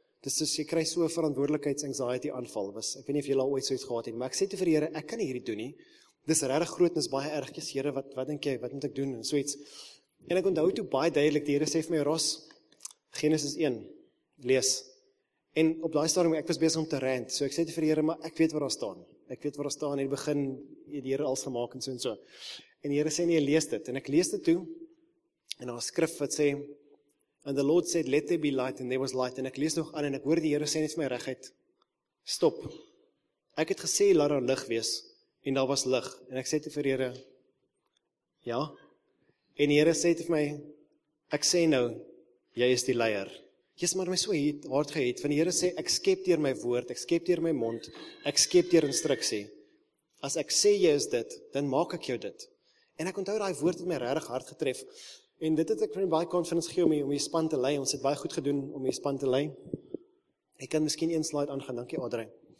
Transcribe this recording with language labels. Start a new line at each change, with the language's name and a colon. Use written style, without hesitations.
Afrikaans: Dit is soos jy kry so 'n verantwoordelikheids-anxiety aanval, ek weet nie of jy al ooit so iets gehad het, maar ek sê toe vir die Here, ek kan nie hierdie doen nie, dit is regtig groot, en dit is baie erg, Jesus, Here, wat dink jy, wat moet ek doen, en so iets. En ek onthou toe baie duidelik, die Here sê vir my, Ros, Genesis 1, lees. En op daai stadium ek was besig om te rant. So ek sê vir die Here, maar ek weet waar daar staan. Ek weet waar daar staan. In die begin het die Here alles gemaak en so en so. En die Here sê nee, lees dit. En ek lees dit toe. En daar is skrif wat sê,
English: and the Lord said, let there be light, and there was light.
Afrikaans: En ek lees nog aan en ek hoor die Here sê net vir my reguit, stop. Ek het gesê, laat daar lig wees. En daar was lig. En ek sê vir die Here, ja. En die Here sê vir my, ek sê nou, jy is die leier. Jy is maar my so hard gehet, van die Here sê, ek skep deur my woord, ek skep deur my mond, ek skep deur instruksie. As ek sê jy is dit, dan maak ek jou dit. En ek onthou daai woord het my regtig hard getref, en dit het ek vir my baie confidence gegee om die span te lei, ons het baie goed gedoen om die span te lei. Ek kan miskien een slide aangaan, dankie Adrie.